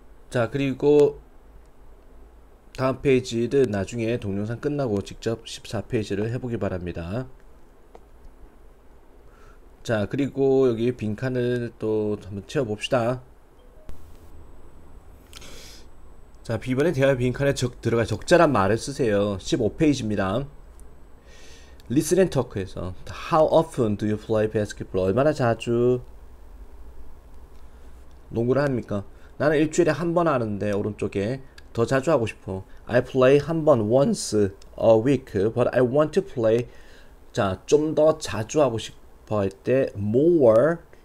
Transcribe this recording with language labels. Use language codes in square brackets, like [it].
[ko] 자, 그리고 다음 페이지는 나중에 동영상 끝나고 직접 14페이지를 해보기 바랍니다. 자, 그리고 여기 빈칸을 또 한번 채워봅시다. 자, B번의 대화 빈칸에 들어갈 적절한 말을 쓰세요. 15페이지입니다. [en] Listen and talk에서 How often do you play basketball? [ko] 얼마나 자주 농구를 합니까? 나는 일주일에 한번 하는데, 오른쪽에. 더 자주 하고 싶어. [en] I play 한 번, once a week, but I want to play. [ko] 자, 좀더 자주 하고 싶어 할 때, more.